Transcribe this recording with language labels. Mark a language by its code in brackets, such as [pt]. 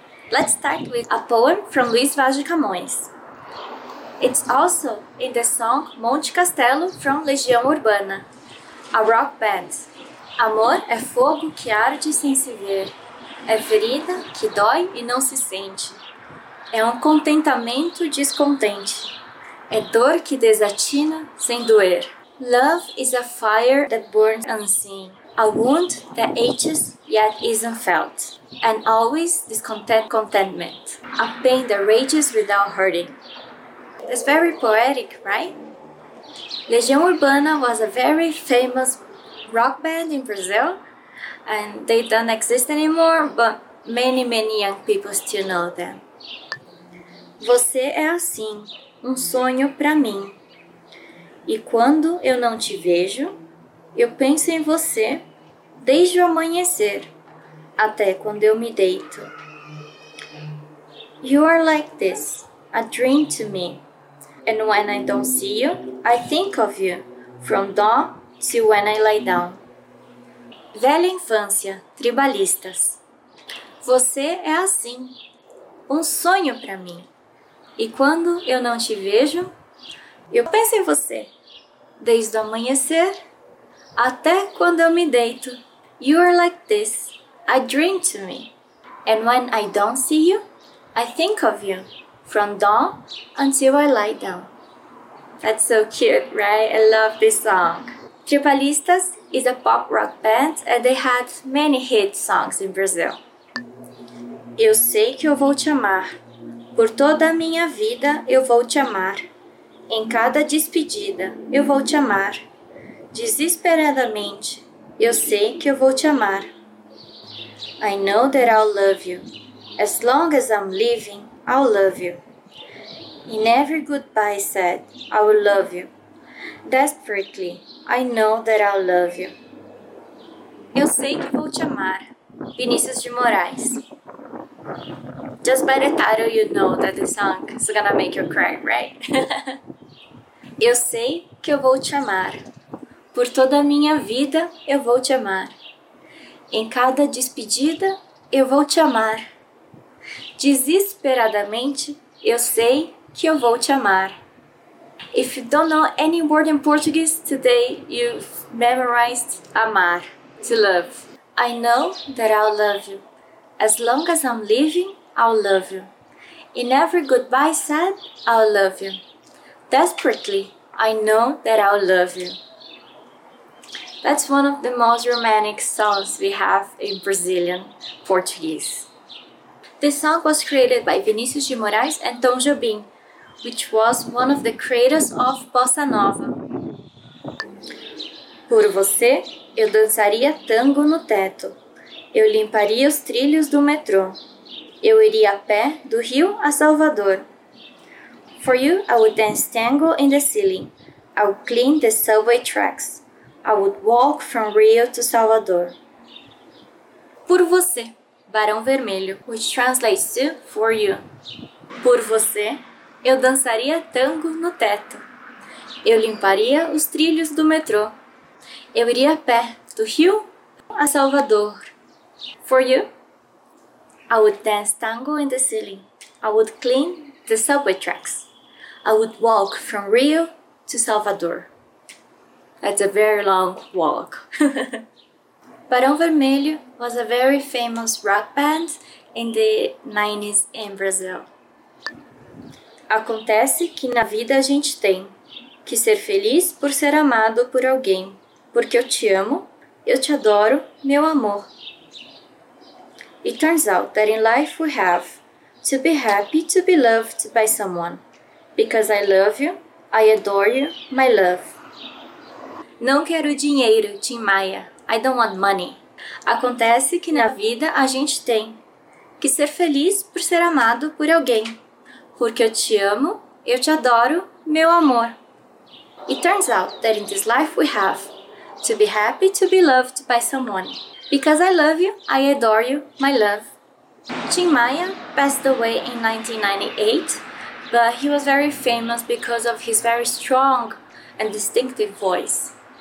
[en] Let's start with a poem from Luiz Vaz de Camões. It's also in the song Monte Castelo from Legião Urbana, a rock band. [pt] Amor é fogo que arde sem se ver. É ferida que dói e não se sente. É contentamento descontente. É dor que desatina sem doer. [en] Love is a fire that burns unseen. A wound that aches yet isn't felt. And always discontent contentment. A pain that rages without hurting. It's very poetic, right? Legião Urbana was a very famous rock band in Brazil. And they don't exist anymore, but many, many young people still know them. [pt] Você é assim, sonho pra mim. E quando eu não te vejo, eu penso em você desde o amanhecer até quando eu me deito. [en] You are like this, a dream to me. And when I don't see you, I think of you from dawn till when I lie down. [pt] Velha infância, tribalistas. Você é assim, sonho pra mim. E quando eu não te vejo, eu penso em você desde o amanhecer até quando eu me deito. [en] You are like this, a dream to me. And when I don't see you, I think of you from dawn until I lie down. That's so cute, right? I love this song. Tribalistas is a pop rock band and they had many hit songs in Brazil. [pt] Eu sei que eu vou te amar. Por toda a minha vida eu vou te amar. Em cada despedida eu vou te amar. Desesperadamente eu sei que eu vou te amar. [en] I know that I'll love you. As long as I'm living, I'll love you. In every goodbye said, I will love you. Desperately, I know that I'll love you. [pt] Eu sei que vou te amar. Vinícius de Moraes. [en] Just by the title, you know that the song is gonna make you cry, right? [pt] Eu sei que eu vou te amar. Por toda a minha vida, eu vou te amar. Em cada despedida, eu vou te amar. Desesperadamente, eu sei que eu vou te amar. [en] If you don't know any word in Portuguese today, you've memorized amar, to love. I know that I'll love you. As long as I'm living, I'll love you. In every goodbye said, I'll love you. Desperately, I know that I'll love you. That's one of the most romantic songs we have in Brazilian Portuguese. This song was created by Vinícius de Moraes and Tom Jobim, which was one of the creators of Bossa Nova. [pt] Por você, eu dançaria tango no teto. Eu limparia os trilhos do metrô. Eu iria a pé do Rio a Salvador. [en] For you, I would dance tango in the ceiling. I would clean the subway tracks. I would walk from Rio to Salvador. Por você, Barão Vermelho, which translates to for you. [pt] Por você, eu dançaria tango no teto. Eu limparia os trilhos do metrô. Eu iria a pé do Rio a Salvador. [en] For you, I would dance tango in the ceiling. I would clean the subway tracks. I would walk from Rio to Salvador. That's a very long walk. Barão Vermelho was a very famous rock band in the 90s in Brazil. [pt] Acontece que na vida a gente tem que ser feliz por ser amado por alguém. Porque eu te amo, eu te adoro, meu amor. [en] It turns out that in life we have to be happy to be loved by someone. Because I love you, I adore you, my love. [pt] Não quero dinheiro, [en] Tim Maia. I don't want money. [pt] Acontece que na vida a gente tem que ser feliz por ser amado por alguém. Porque eu te amo, eu te adoro, meu amor. [en] It turns out that in this life we have to be happy to be loved by someone. Because I love you, I adore you, my love. Tim Maia passed away in 1998, but he was very famous because of his very strong and distinctive voice.